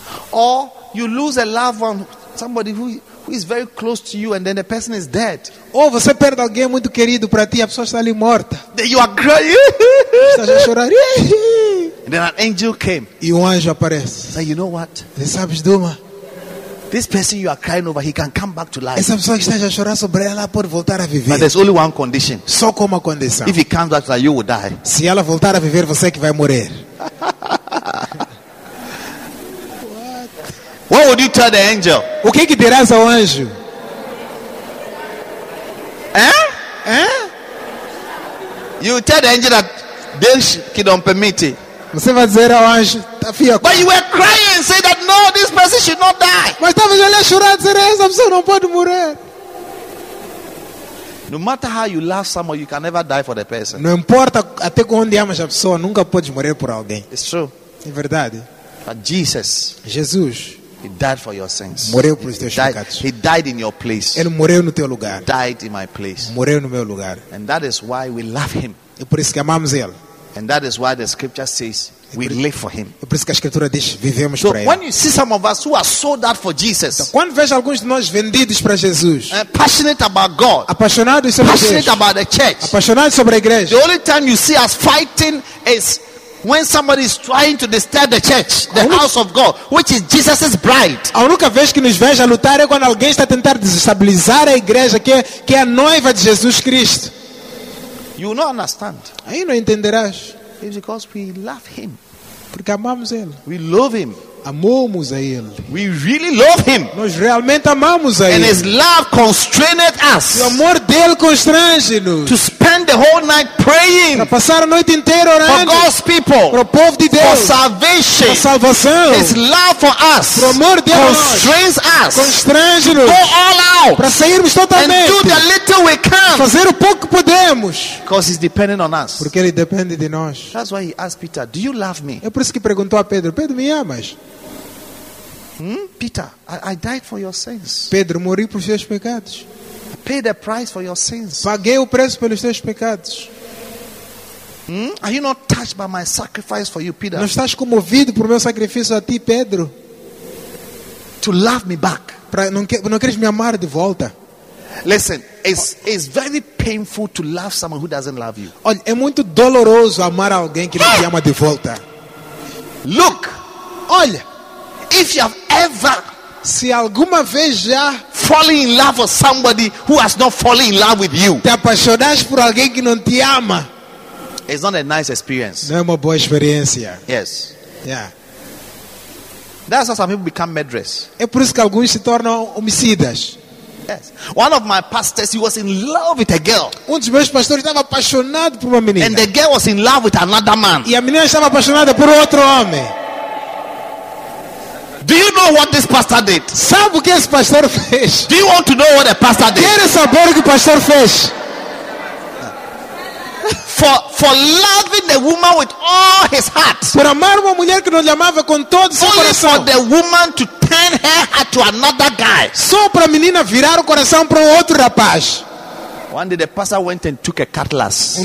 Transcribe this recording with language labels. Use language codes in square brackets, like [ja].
[en] Or you lose a loved one, somebody who is very close to you, and then the person is dead. [pt] Ou você perde alguém muito querido para ti, a pessoa está ali morta. [en] Then you are crying. [pt] Estás a chorar. [en] And then an angel came. [pt] E anjo aparece. [en] Say, you know what? [pt] Sabes, Duma? [en] This person you are crying over, he can come back to life. [pt] Essa pessoa que estás a chorar sobre ela pode voltar a viver. [en] But there's only one condition. [pt] Só com uma condição. [en] If he comes back to life, you will die. [pt] Se ela voltar a viver, você é que vai morrer. [en] What would you tell the angel? [pt] O que dirás ao anjo? [en] You tell the angel that [pt] Deus que não permite. Você vai dizer ao anjo, tá fio. [en] But you were crying and say that no, this person should not die. [pt] Mas estava ali a chorar, dizer essa pessoa não pode morrer. [en] No matter how you love someone, you can never die for the person. [pt] Não importa até onde amas a pessoa, nunca podes morrer por alguém. [en] It's true. [pt] É verdade. [en] But Jesus. [pt] Jesus. [en] He died for your sins. [pt] Morreu por os teus pecados. [en] He died in your place. [pt] Ele morreu no teu lugar. [en] He died in my place. [pt] Morreu no meu lugar. [en] And that is why we love him. [pt] E por isso que amamos ele. [en] And that is why the scripture says we live for him. [pt] É por isso que a escritura diz vivemos [en] so [pt] para ele. [en] When you see some of us who are sold out for Jesus, [pt] então, quando vejo alguns de nós vendidos para Jesus, [en] passionate about God, [pt] apaixonados sobre [en] passionate [pt] Deus, [en] about the church, [pt] apaixonados sobre a igreja. [en] The only time you see us fighting is when somebody is trying to disturb the church, the house of God, which is Jesus's bride. [pt] A única vez que nos vejo a lutar é quando alguém está a tentar desestabilizar a igreja que é a noiva de Jesus Cristo. [en] You will not understand. [pt] Aí não entenderás. [en] It's because we love him. [pt] Porque amamos ele. [en] We love him. [pt] Amamos a ele. [en] We really love him. [pt] Nós realmente amamos a [en] and [pt] ele. [en] And his love constrained us. [pt] O amor dele constrange-nos. [en] To spend the whole night praying. [pt] Para passar a noite inteira orando. [en] For God's people. [pt] Para o povo de Deus. [en] For salvation. [pt] Para salvação. [en] His love for us. [pt] O amor dele [en] constrains us. [pt] Constrange-nos. [en] Go all out. [pt] Para sairmos totalmente. [en] And do the little we can. [pt] Fazer o pouco que podemos. [en] Because he's depending on us. [pt] Porque ele depende de nós. [en] That's why he asked Peter, "Do you love me?" [pt] É por isso que perguntou a Pedro, "Pedro, me amas?" [en] Peter, I died for your sins. [pt] Pedro, morri por seus pecados. [en] Pay the price for your sins. [pt] Paguei o preço pelos seus pecados. [en] Are you not touched by my sacrifice for you, Peter? [pt] Não estás comovido por meu sacrifício a ti, Pedro? [en] To love me back. [pt] Para não queres me amar de volta? [en] Listen, it's very painful to love someone who doesn't love you. [pt] Olha, é muito doloroso amar alguém que não te ama de volta. [en] Look, [pt] olha. [en] If you have ever, [pt] se alguma vez já, [en] fallen in love with somebody who has not fallen in love with you, [pt] te apaixonaste por alguém que não te ama, [en] it's not a nice experience. [pt] Não é uma boa experiência. [en] Yes. Yeah. That's how some people become murderers. [pt] É por isso que alguns se tornam homicidas. [en] Yes. One of my pastors, he was in love with a girl. [pt] Um dos meus pastores estava apaixonado por uma menina. [en] And the girl was in love with another man. [pt] E a menina estava apaixonada por outro homem. [en] Do you know what this pastor did? [pt] Sabe o que esse pastor fez? [en] Do you want to know what a pastor did? [pt] Quer saber o que o pastor fez? [en] For loving the woman with all his heart. [pt] Por amar uma mulher que não lhe amava com todo seu [en] only [pt] coração. [en] For the woman to turn her heart to another guy. [pt] Só para a menina virar o coração para outro rapaz. [en] One day the pastor went and took a cutlass.